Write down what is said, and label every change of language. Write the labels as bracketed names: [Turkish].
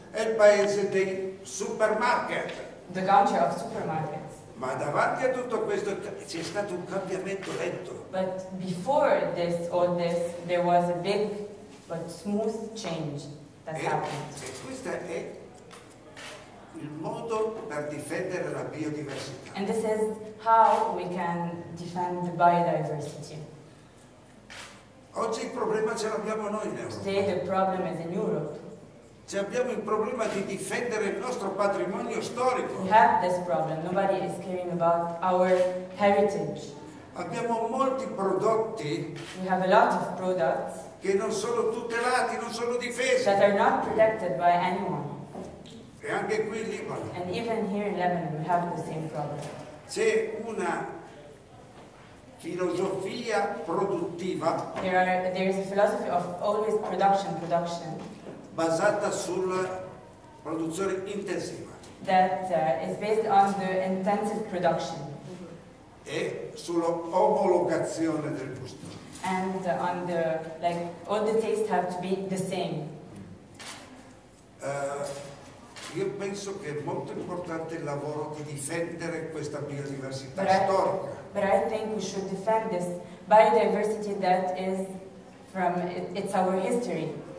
[Italian] È il paese dei supermarket. [English] The culture of supermarkets. [Italian] Ma davanti a tutto questo c'è stato un cambiamento lento. [English] But before this, all this, there was a big but smooth change that happened. [Italian] E questo è il modo per difendere la biodiversità. [English] And this is how we can defend the biodiversity. [Italian] Oggi il problema ce l'abbiamo noi in Europa. [English] Today the problem is in Europe. [Italian] Ci abbiamo il problema di difendere il nostro patrimonio storico. [English] We have this problem. Nobody is caring about our heritage. [Italian] Abbiamo molti prodotti. [English] We have a lot of products. [Italian] Che non sono tutelati, non sono difesi. [English] That are not protected by anyone. [Italian] E anche qui in Libano. [English] And even here in Lebanon we have the same problem. [Italian] C'è una filosofia produttiva. [English] There is a philosophy of always production. [Italian] Basata sulla produzione intensiva. [English] That is based on the intensive production. [Italian] E sulla omologazione del gusto. [English] And on the, like, all the tastes have to be the same. [Italian] Io penso che è molto importante il lavoro di difendere questa biodiversità storica. [English] But I think we should defend this biodiversity that is from, it's our history.